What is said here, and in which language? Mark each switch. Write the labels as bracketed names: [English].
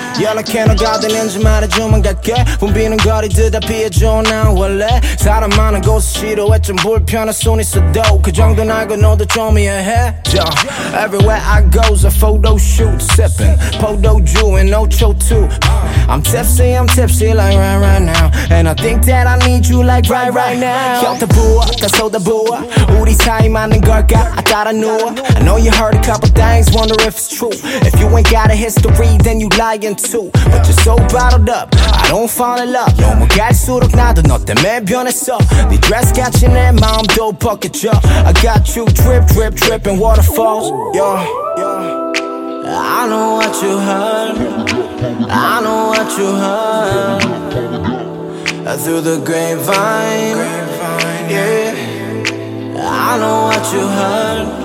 [Korean] 연락해 너 가든인지 말해주면 갈게. 붐비는 거리들 다 피해줘 난 원래 사람 많은 곳을 싫어해. 좀 불편할 순 있어도 그 정도는 알고 너도 좀 이해해. [English] Yeah. Everywhere I go is a photo shoot. Sipping Podo Jew and Ocho too. I'm tipsy like right right now. And I think that I need you like right right now. [Korean] 혀도 부어 다 쏟아 부어. 우리 사이 맞는 걸까. [English] I gotta know. I know you heard a couple things. Wonder if it's true. If you ain't got a history then you lying. Too, but you're so bottled up. I don't fall in love. [Korean] 너무 갈수록 나도 너 때문에 변했어. 네 dress 같이 내 마음도 벗겨져. [English] I got you drip drip dripping waterfalls. Yeah. I know what you heard. I know what you heard. Through the grapevine. Yeah. I know what you heard.